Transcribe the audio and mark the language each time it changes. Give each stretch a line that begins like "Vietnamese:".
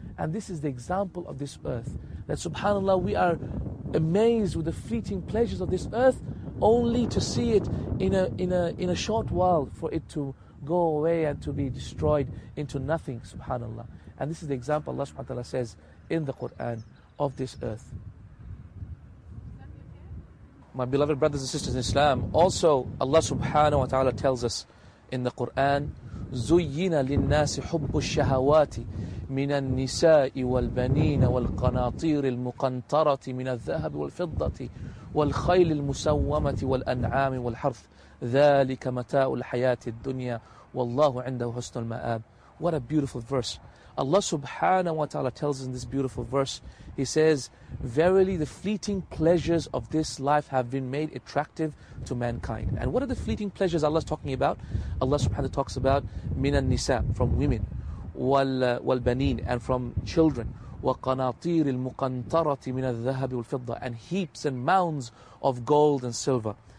English: And this is the example of this earth. That subhanAllah, we are amazed with the fleeting pleasures of this earth, only to see it in a short while for it to go away and to be destroyed into nothing, subhanAllah. And this is the example Allah subhanahu wa ta'ala says in the Quran of this earth. My beloved brothers and sisters in Islam, also Allah subhanahu wa ta'ala tells us in the Quran,
Arabic: زين للناس حب الشهوات من النساء والبنين والقناطير المقنطرة من الذهب والفضة والخيل المسومة والأنعام والحرث ذلك متاع الحياة الدنيا والله عنده حسن المآب.
English: What a beautiful verse. Allah subhanahu wa ta'ala tells in this beautiful verse, He says, verily the fleeting pleasures of this life have been made attractive to mankind. And what are the fleeting pleasures Allah is talking about? Allah subhanahu wa ta'ala talks about
Arabic: مِنَ النِّسَاءِ,
English: from women,
Arabic: وَالْبَنِينَ,
English: and from children,
Arabic: وَقَنَاطِيرِ الْمُقَنْطَرَةِ مِنَ الذَّهَبِ وَالْفِضَّةِ,
English: and heaps and mounds of gold and silver.